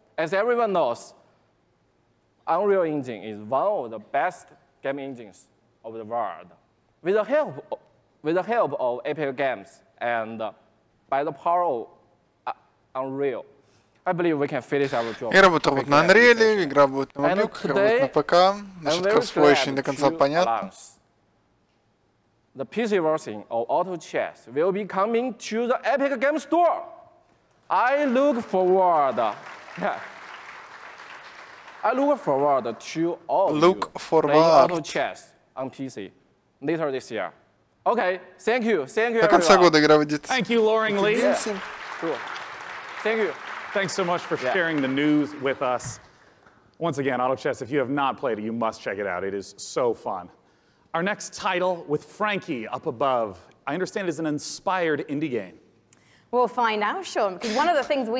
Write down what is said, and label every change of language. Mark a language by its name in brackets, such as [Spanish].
[English] As everyone knows, Unreal Engine is one of the best gaming engines of the world. With the help of Epic Games and by the power of Unreal, I believe we can finish our job. [Russian] Игра будет работать на Unreal, игра будет на мобилках, игра будет на ПК. Насчет кроссплея еще не до конца понятно. [English] The PC version of Auto Chess will be coming to the Epic Game Store. I look forward. I look forward to all look of you playing Auto Chess on PC later this year. Okay, thank you. Thank you. [Russian] До конца года игра выйдет. [English] Thank you, Loring Lee. Yeah. Cool. Thank you. Thanks so much for sharing the news with us. Once again, Auto Chess, if you have not played it, you must check it out. It is so fun. Our next title, with Frankie up above, I understand is an inspired indie game. We'll find out, Sean, because one of the things we